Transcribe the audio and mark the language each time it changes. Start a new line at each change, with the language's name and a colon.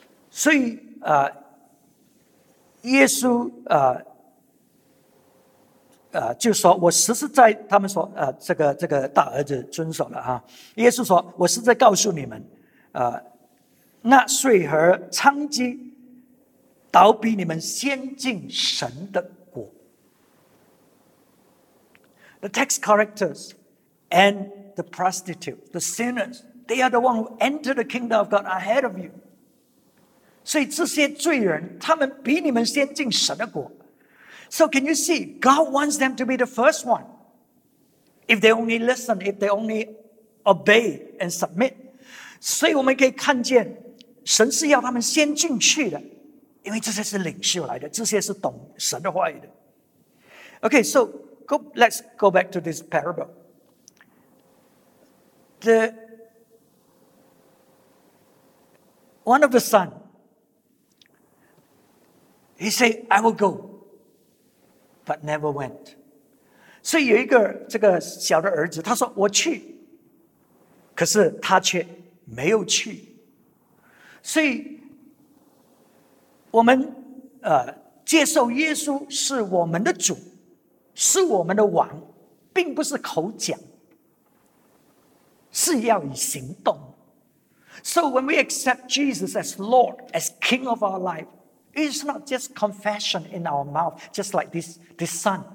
Chinese: 所以耶稣就说，我实实在他们说这个大儿子遵守了哈。耶稣说，我实在告诉你们，纳税和娼妓倒比你们先进神的国。
English: The tax collectors and the prostitutes, the sinners, they are the one who enter the kingdom of God ahead of you.
Chinese: 所以这些罪人他们比你们先进神的国。
English: So can you see, God wants them to be the first one. If they only listen, if they only obey and submit.
Chinese: 所以我们可以看见神是要他们先进去的，因为这些是领袖来的，这些是懂神的话语的。
English: Okay, so let's go back to this parable. One of the sons,He said, I will go, but never went.
Chinese: 所以有一个这个小的儿子，他说我去，可是他却没有去。所以我们接受耶稣是我们的主，是我们的王，并不是口讲，是要以行动。
English: So when we accept Jesus as Lord, as King of our life,It's not just confession in our mouth, just like this son.